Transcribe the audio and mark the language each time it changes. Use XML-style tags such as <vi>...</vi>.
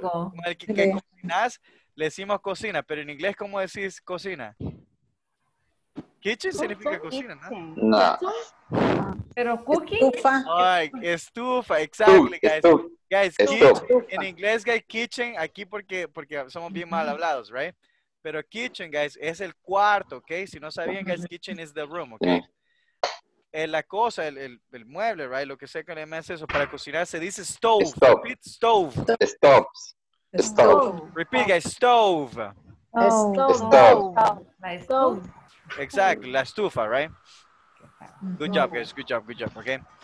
<es>Con el que cocinas, le decimos cocina, pero en inglés, ¿cómo decís cocina? Kitchen significa cocina, ¿no? No. Pero cooking. Estufa.</es> <en>Right. Estufa, exactly, guys.</en> <es>Estufa.</es> <en>Guys,</en> <es>estufa.</es> <en>Kitchen.</en> <es>En inglés, guys, kitchen, aquí porque somos bien mal hablados, right? Pero kitchen, guys, es el cuarto, okay? Si no sabían,</es> <en>guys, kitchen is the room, okay?</en> <es>La cosa, el mueble, right? Lo que sea que le llames eso para cocinar, se dice stove.</es> <en>Stop. Repeat, stove. Stoves. Stove. Repeat, guys, stove. Oh. Stove. Stove. Stove. Exactly, la estufa, right? Good job, guys. Good job, good job. Okay.</en>